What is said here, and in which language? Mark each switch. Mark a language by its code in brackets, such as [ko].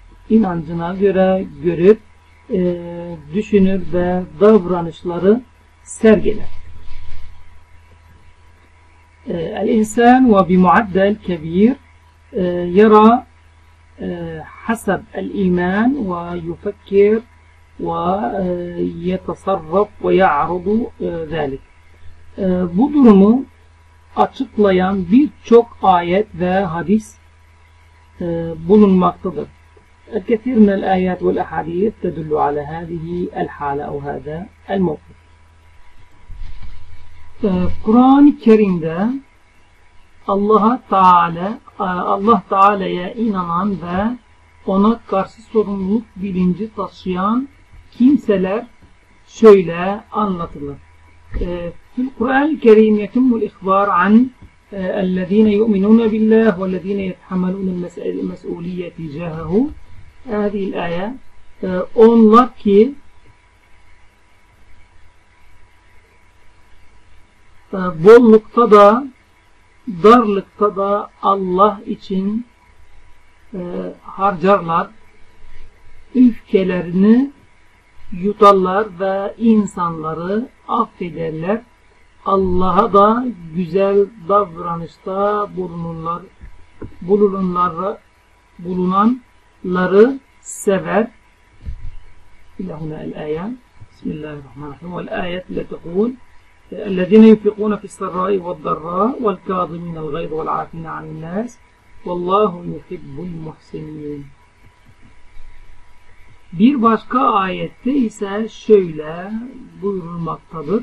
[tr] İnancına göre görüp düşünür ve davranışları sergiler. [ar] الإنسان وبمعدل كبير يرى حسب الإيمان ويفكر ويتصرف ويعرض ذلك. [tr] Bu durumu açıklayan birçok ayet ve hadis bulunmaktadır. [ar] الكثير من الآيات والأحاديث تدل على هذه الحالة أو هذا الموقف. [tr] Kur'an-ı Kerim'de Allah Teala'ya inanan ve ona karşı sorumluluk bilinci taşıyan kimseler şöyle anlatılır. [ar] في القرآن الكريم يتم الإخبار عن الذين يؤمنون بالله والذين يتحملون المسؤولية تجاهه هذه الآية [tr] onlar ki bollukta da darlıkta da Allah için harcarlar üfkelerini yutarlar ve insanları affederler. Allah'a da güzel davranışta bulunanları sever. [ar] İlâ hunâ el-âyân. Bismillahirrahmanirrahim. Vel-âyât le-tekûl. الذين ينفقون في السراء والضراء والكاظمين الغيظ والعافين عن الناس والله يحب المحسنين. [tr] Bir başka ayette ise şöyle buyurulmaktadır.